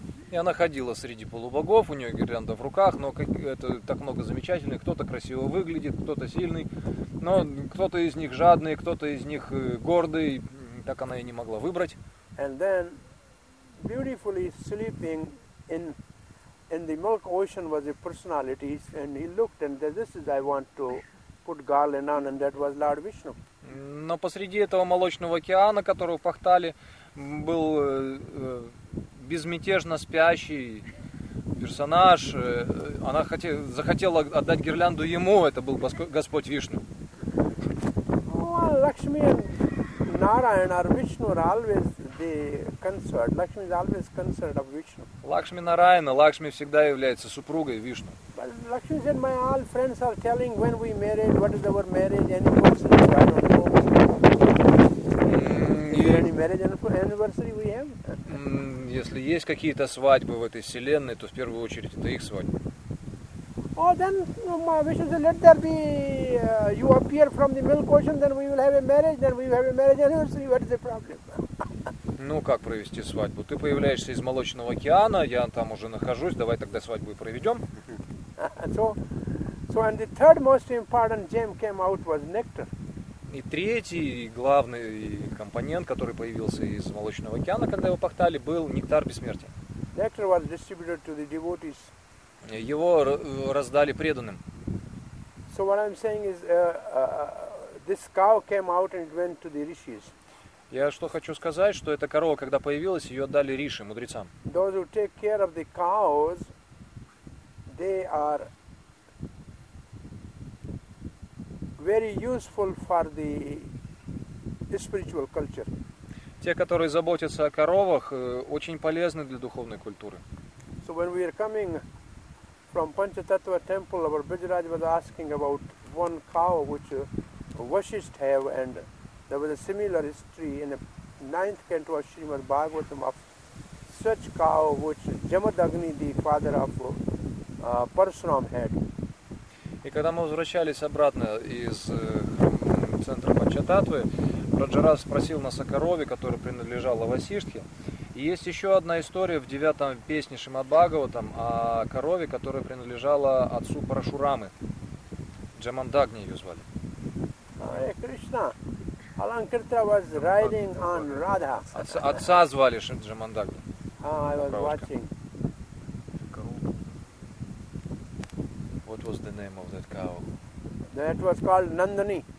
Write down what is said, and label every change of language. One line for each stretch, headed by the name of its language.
Russian: И она ходила среди полубогов, у нее гирлянда в руках, но это так много замечательных. Кто-то красиво выглядит, кто-то сильный, но кто-то из них жадный, кто-то из них гордый, так она и не могла выбрать.
English: And then, beautifully sleeping in... In the milk ocean was a personality, and he looked and said, "This is I want to put garland on," and that was Lord Vishnu.
Russian: Но посреди этого молочного океана, которого пахтали, был безмятежно спящий персонаж. Она захотела отдать гирлянду ему. Это был Господь Вишну.
English: Well, Lakshmi and Narayana or Vishnu are always. Concert. Lakshmi is always concert of Vishnu.
Russian: Лакшми Нараяна, Лакшми всегда является супругой Вишну.
English: But Lakshmi said, "My all friends are telling when we married, what is our marriage anniversary? I don't know. Is there any marriage anniversary we have?"
Russian: Если есть какие-то свадьбы в этой вселенной, то в первую очередь это их свадьба.
English: Oh, then Vishnu said, "Let there be. You appear from the milk ocean, then we will have a marriage. Then we will have a marriage anniversary. What is the problem?"
Russian: Ну, как провести свадьбу? Ты появляешься из молочного океана, я там уже нахожусь, давай тогда свадьбу и проведем.
English: So, and the third most important gem came out was nectar.
Russian: И третий главный компонент, который появился из молочного океана, когда его пахтали, был нектар бессмертия.
English: Nectar was distributed to the devotees.
Russian: Его раздали преданным.
English: So what I'm saying is, this cow came out and went to the rishis.
Russian: Я что хочу сказать, что эта корова, когда появилась, ее отдали риши, мудрецам.
English: Those who take care of the cows, they are very useful for the spiritual culture.
Russian: Те, которые заботятся о коровах, очень полезны для духовной культуры.
English: So when we are coming from Panchatattva temple, our Bhajraj was asking about one cow which Vashishth have and there was a similar history in the 9th canto of Srimad Bhagavatam of such cow which Jamadagni, the father of Parashuram, had.
Russian: И когда мы возвращались обратно из центра Панчататвы, Раджарас спросил нас о корове, которая принадлежала Васиштхе. И есть еще одна история в 9-м песне Шримад Бхагаватам о корове, которая принадлежала отцу Парашурамы. Джамандагни ее звали.
English: Hare Krishna. Alankrita was riding on Radha.
Russian: Отца звали Джамандагни.
English: I was watching. What was the name of that cow? That was called Nandani.